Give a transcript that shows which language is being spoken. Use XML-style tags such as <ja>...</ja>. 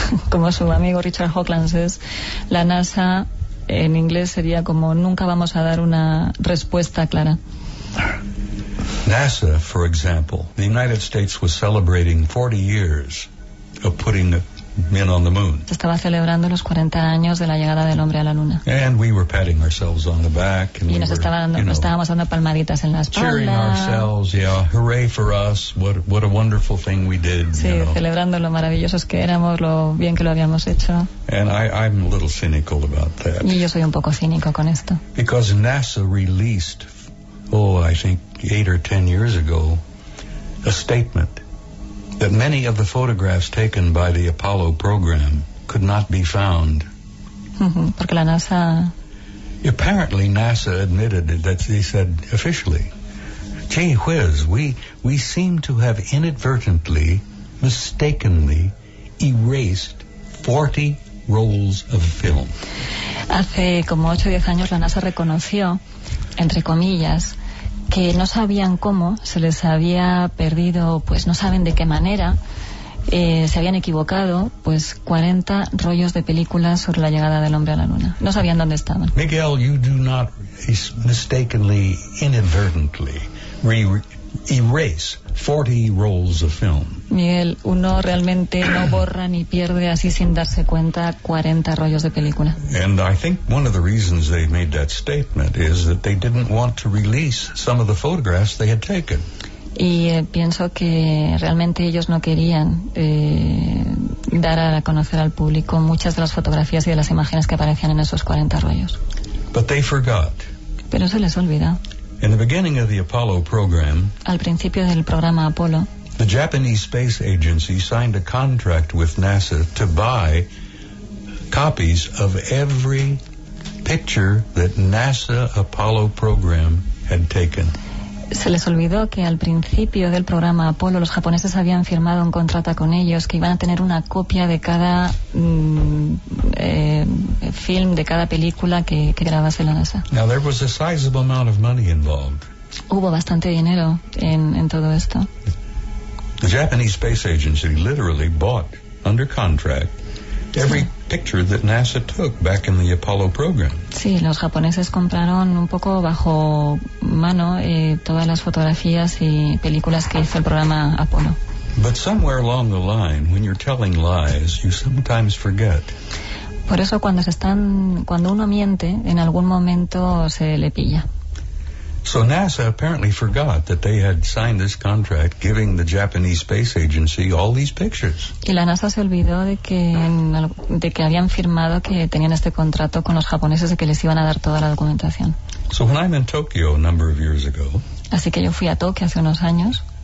<es>Como su amigo Richard Hoagland says, la NASA en inglés sería como nunca vamos a dar una respuesta clara.</es> <en>NASA, for example, the United States was celebrating 40 years of putting men on the moon.</en> <es>Se estaba celebrando los 40 años de la llegada del hombre a la luna.</es> <en>And we were patting ourselves on the back. And</en> <es>y</es> <en>we</en> <es>nos,</es> <en>were,</en> <es>estaba dando,</es> <en>you know,</en> <es>nos estábamos dando palmaditas en la espalda.</es> <en>Cheering ourselves, yeah, hooray for us, what a wonderful thing we did.</en> <es>Sí,</es> <en>you know.</en> <es>Celebrando lo maravillosos que éramos, lo bien que lo habíamos hecho.</es> <en>And I'm a little cynical about that.</en> <es>Y yo soy un poco cínico con esto.</es> <en>Because NASA released, I think 8 or 10 years ago, a statement that many of the photographs taken by the Apollo program could not be found.</en> <es>Porque la NASA...</es> <en>Apparently NASA admitted that, they said officially, gee whiz, we seem to have inadvertently, mistakenly erased 40 rolls of film.</en> <es>Hace como 8 o 10 años la NASA reconoció, entre comillas, que no sabían cómo, se les había perdido, pues no saben de qué manera, se habían equivocado, pues 40 rollos de películas sobre la llegada del hombre a la luna. No sabían dónde estaban.</es> <en>Miguel, you do not mistakenly, inadvertently erase 40 rolls of film.</en> <es>Miguel, uno realmente no borra ni pierde así sin darse cuenta 40 rollos de película.</es> <en>And I think one of the reasons they made that statement is that they didn't want to release some of the photographs they had taken.</en> <es>Y pienso que realmente ellos no querían dar a conocer al público muchas de las fotografías y de las imágenes que aparecían en esos 40 rollos.</es> <en>But they forgot.</en> <es>Pero se les olvidó.</es> <en>In the beginning of the Apollo program,</en> <es>al principio del programa Apolo,</es> <en>the Japanese Space Agency signed a contract with NASA to buy copies of every picture that NASA Apollo program had taken.</en> <es>Se les olvidó que al principio del programa Apolo los japoneses habían firmado un contrato con ellos que iban a tener una copia de cada film, de cada película que grabase la NASA.</es> <en>Now, there was a sizable amount of money involved.</en> <es>Hubo bastante dinero en todo esto.</es> <en>The Japanese Space Agency literally bought under contract every picture that NASA took back in the Apollo program.</en> <es>Sí, los japoneses compraron un poco bajo mano todas las fotografías y películas que hizo el programa Apolo.</es> <en>But somewhere along the line, when you're telling lies, you sometimes forget.</en> <es>Por eso cuando uno miente, en algún momento se le pilla.</es> <en>So NASA apparently forgot that they had signed this contract giving the Japanese Space Agency all these pictures.</en> <es>Y la NASA se olvidó de que habían firmado que tenían este contrato con los japoneses y que les iban a dar toda la documentación.</es> <en>So when I'm in Tokyo a number of years ago,</en> <es>así que yo fui a Tokio hace unos años,</es>